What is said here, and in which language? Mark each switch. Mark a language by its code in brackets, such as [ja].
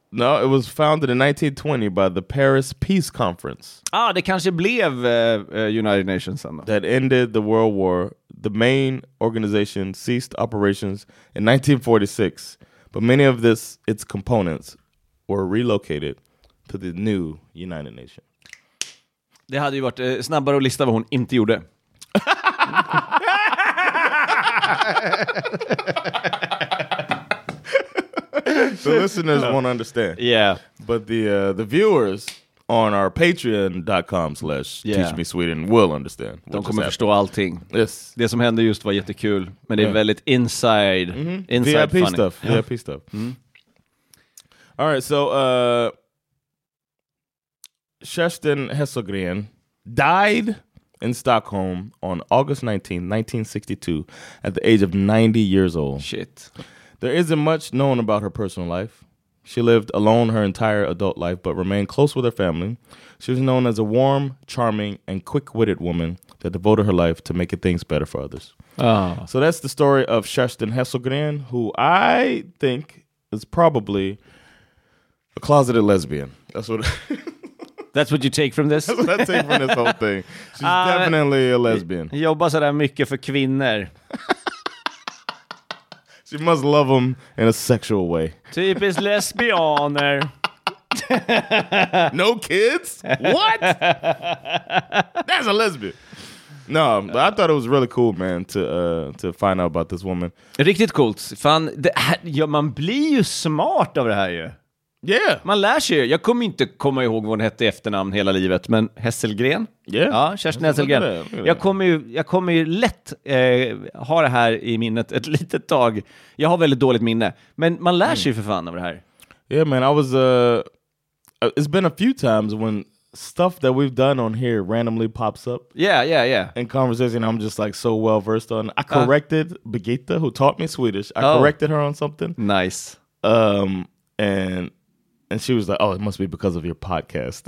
[en] No, it was founded in 1920 by the Paris Peace Conference. [sv] Ah, det kanske blev United Nations sen då. [en] That ended the World War. The main organization ceased operations in 1946, but many of its components were relocated to the new United Nations. [sv] Det hade ju varit snabbare att lista vad hon inte gjorde. [en] The listeners won't understand. Yeah. But the viewers on our patreon.com/ teach me Sweden will understand. [sv] De kommer förstå allting. [en] Yes. [sv] Det som hände just var jättekul, men det är väldigt [en] inside, inside VIP funny stuff. Yeah. VIP stuff. Mm. All right, so Kerstin Hesselgren died in Stockholm on August 19, 1962 at the age of 90 years old. Shit. There isn't much known about her personal life. She lived alone her entire adult life, but remained close with her family. She was known as a warm, charming, and quick-witted woman that devoted her life to making things better for others. Oh. So that's the story of Kerstin Hesselgren, who I think is probably a closeted lesbian. That's what... That's what you take from this? That's what I take from this whole thing. She's definitely a lesbian. [sv] Jobbar sådär mycket för kvinnor. [en] She must love them in a sexual way. [sv] Typiskt lesbianer. [en] No kids? What? That's a lesbian. No, but I thought it was really cool, man, to find out about this woman. [sv] Riktigt coolt. Fan, man blir ju smart av det här ju. [en] Yeah. [sv] Man lär sig. Jag kommer inte komma ihåg vad hon hette efternamn hela livet, men Hesselgren. Yeah. Ja, Kerstin Hesselgren. Jag kommer ju lätt ha det här i minnet ett litet tag. Jag har väldigt dåligt minne, men man lär sig för fan av det här. [en] Yeah, man, I was it's been a few times when stuff that we've done on here randomly pops up. Yeah. In conversation, I'm just like so well versed on. I corrected Birgitta, who taught me Swedish. I corrected her on something. Nice. And she was like, oh, it must be because of your podcast.